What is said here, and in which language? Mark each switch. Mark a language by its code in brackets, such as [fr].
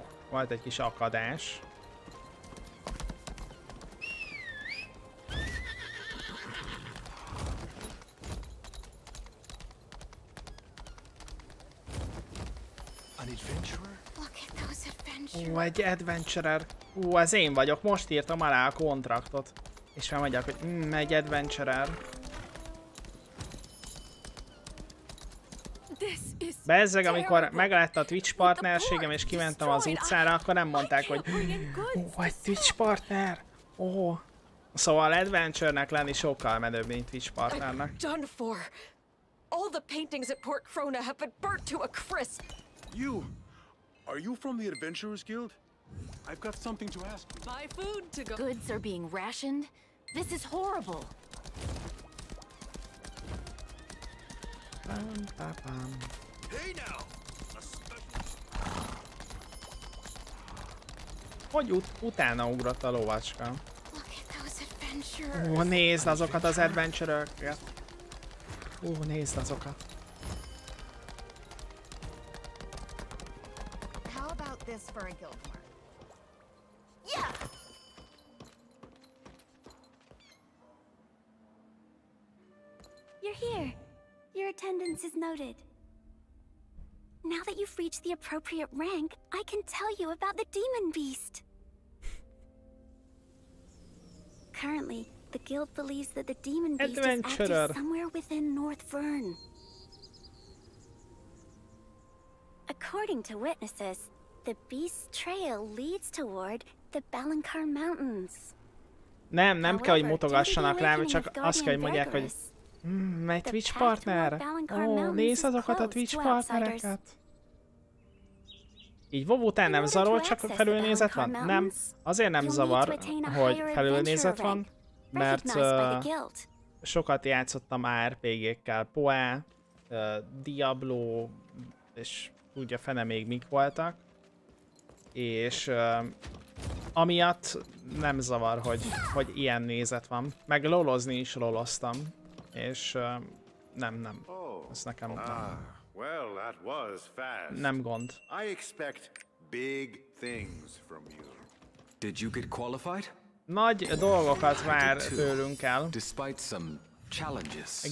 [hu] Volt egy kis akadás. [en] adventurer? Look at those adventurers. [hu] Ó, egy adventurer. Ó, ez én vagyok. Most írtam alá a kontraktot. És felmegyek, hogy egy adventurer. Bezzeg, amikor meglett a Twitch partnerségem és kimentem az utcára, akkor nem mondták, hogy vagy Twitch partner. Ó, szóval adventure-nek lenni sokkal menőbb, mint Twitch partnernek. [en] All the paintings at Port Krona have been burnt to a crisp. You, are you from the Adventurers Guild? I've got something to ask. My food to go. Goods are being rationed. This is horrible. Bam, bam, bam. Hey now! [hu] Hogy utána ugrott a lovacska? [en] Look at those adventurers. [hu] Ó, nézd azokat az adventurereket! Ó, nézd azokat! [en] How about this for a guild mark? Yeah! You're here! Your attendance is noted. Now that you've reached the appropriate rank, I can tell you about the demon beast. Currently, the guild believes that the demon beast Adventurer. Is active somewhere within North Vern. According to witnesses, the beast's trail leads toward the Balankar Mountains. [hu] Nem, nem kell, hogy mutogassanak rám, csak azt kell, hogy mondják, hogy egy Twitch partner? Ó, nézd azokat a Twitch partnereket! Így WoW után nem zavar, csak felülnézet van? Nem, azért nem zavar, hogy felülnézet van, mert sokat játszottam RPG-kkel, Poe, Diablo, és úgy a fene még mik voltak. És amiatt nem zavar, hogy ilyen nézet van. Meg lolozni is loloztam. És nem. Ez nekem ott [en] Well, that was fast. [hu] Nem gond. [en] I expect big things from you. Did you get qualified? [hu] Nagy dolgokat vár tőlünk el. [en] Despite some challenges.